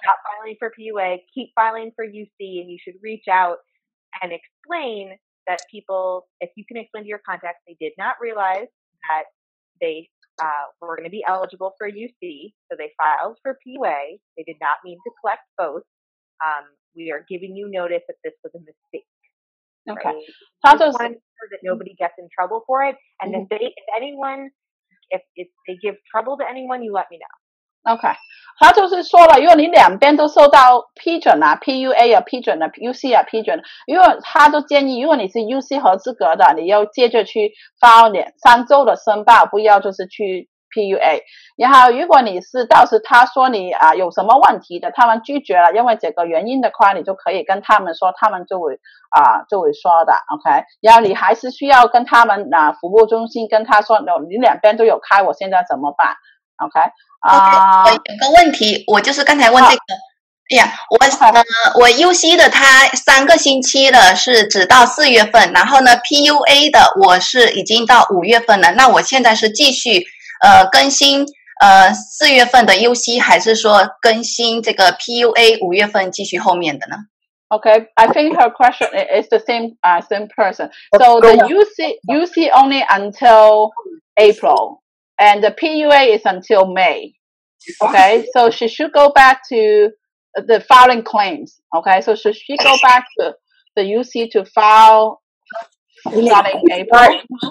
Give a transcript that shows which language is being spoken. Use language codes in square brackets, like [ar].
[en] Stop filing for PUA, keep filing for UC, and you should reach out and explain that people, if you can explain to your contact, they did not realize that they were going to be eligible for UC, so they filed for PUA. They did not mean to collect both. We are giving you notice that this was a mistake. Okay. Right? Just want to make sure that nobody gets in trouble for it, and mm-hmm. if they give trouble to anyone, you let me know. Okay. [zh] 他就是说了，如果你两边都受到批准了 ,PUA 也批准了 ,UC 也批准了，如果他都建议如果你是 UC 合资格的，你要接着去发两三周的申报，不要就是去 PUA。然后如果你是到时他说你啊有什么问题的，他们拒绝了因为这个原因的话，你就可以跟他们说，他们就会啊就会说的 ,OK。然后你还是需要跟他们啊服务中心跟他说你两边都有开，我现在怎么办 ,OK。 Okay, 我有个问题，我就是刚才问这个。哎呀，我 UC 的他三个星期的是只到四月份，然后呢 PUA 的我是已经到五月份了。那我现在是继续更新四月份的 UC， 还是说更新这个 PUA 五月份继续后面的呢 [en] ？Okay, I think her question is the same person. So the UC only until April. And the PUA is until May. Okay, so she should go back to the filing claims. Okay, so should she go back to the UC to file starting April?